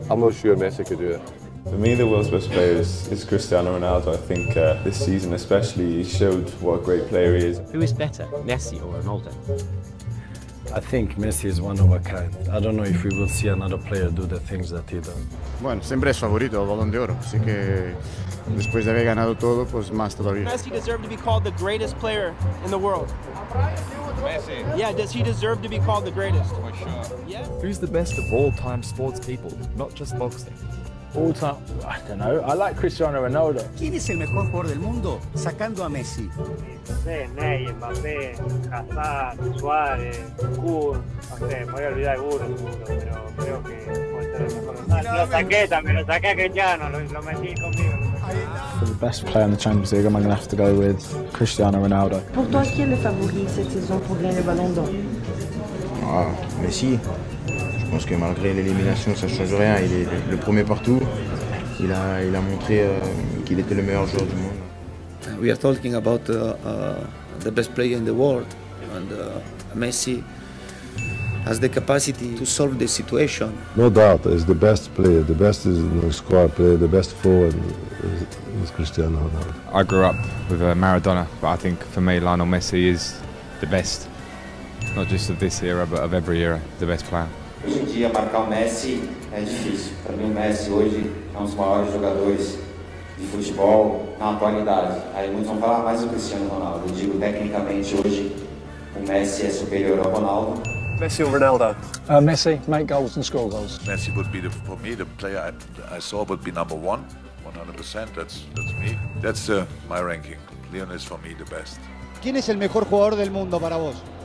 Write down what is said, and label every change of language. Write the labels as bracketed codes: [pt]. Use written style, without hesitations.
[en] I'm not sure Messi could do it. For me, the world's best player is Cristiano Ronaldo. I think this season especially, he showed what a great player he is. Who is better, Messi or Ronaldo? I think Messi is one of a kind. I don't know if we will see another player do the things that he does. [es] Bueno, siempre es favorito, Balón de Oro. Así que después de haber ganado todo, pues más todavía. [en] Messi deserves to be called the greatest player in the world. Messi. Yeah, does he deserve to be called the greatest? For sure. Yeah. Who's the best of all time sports people, not just boxing? All time, I don't know. I like Cristiano Ronaldo. [es] ¿Quién es el mejor jugador del mundo sacando a Messi? Ney, Mbappé, Hazard, Suárez, Kun. No sé, me voy a olvidar alguno, pero creo que lo saqué a Cristiano, lo metí conmigo. [en] For the best player in the Champions League, I'm going to have to go with Cristiano Ronaldo. [fr] Pour toi, qui est le favori cette saison pour gagner le Ballon d'Or? Ah, Messi. Je pense que malgré l'élimination, ça ne change rien. Il est le premier partout. Il a montré qu'il était le meilleur joueur du monde. [en] We are talking about the best player in the world, and Messi has the capacity to solve the situation. No doubt, he's the best player. The best is the squad player. The best forward is Cristiano Ronaldo. I grew up with Maradona, but I think for me, Lionel Messi is the best. Not just of this era, but of every era, the best player. [pt] Hoje em dia, marcar o Messi é difícil. Para mim, o Messi hoje é um dos maiores jogadores de futebol na atualidade. Aí muitos vão falar mais do Cristiano Ronaldo. Eu digo, tecnicamente, hoje, o Messi é superior ao Ronaldo. [en] Messi or Ronaldo? Messi, make goals and score goals. Messi would be, for me, the player I saw would be number one, 100%, that's me. That's my ranking. Lionel is, for me, the best. [es] ¿Quién es el mejor jugador del mundo para vos?